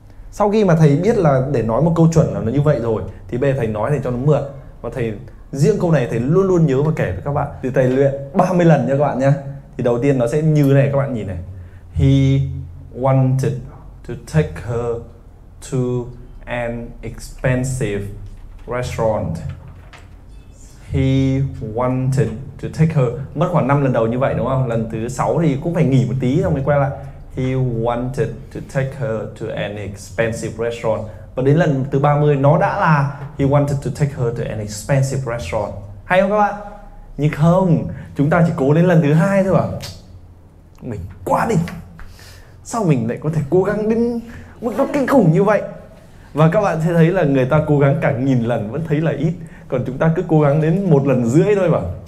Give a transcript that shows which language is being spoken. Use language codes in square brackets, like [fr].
[vi] Sau khi mà thầy biết là để nói một câu chuẩn là nó như vậy rồi thì bây giờ thầy nói để cho nó mượt. Và thầy riêng câu này thầy luôn luôn nhớ và kể với các bạn. Thì thầy luyện 30 lần nha các bạn nha. Thì đầu tiên nó sẽ như này các bạn nhìn này. [en] He wanted to take her to an expensive restaurant. He wanted to take her. [vi] Mất khoảng 5 lần đầu như vậy đúng không? Lần thứ 6 thì cũng phải nghỉ một tí xong mới quay lại. [en] He wanted to take her to an expensive restaurant. [vi] Và đến lần thứ 30 nó đã là [en] he wanted to take her to an expensive restaurant. [vi] Hay không các bạn? Nhưng không, chúng ta chỉ cố đến lần thứ 2 thôi à. Mình quá đi. Sao mình lại có thể cố gắng đến mức độ kinh khủng như vậy? Và các bạn sẽ thấy là người ta cố gắng cả nghìn lần vẫn thấy là ít, còn chúng ta cứ cố gắng đến một lần rưỡi thôi mà.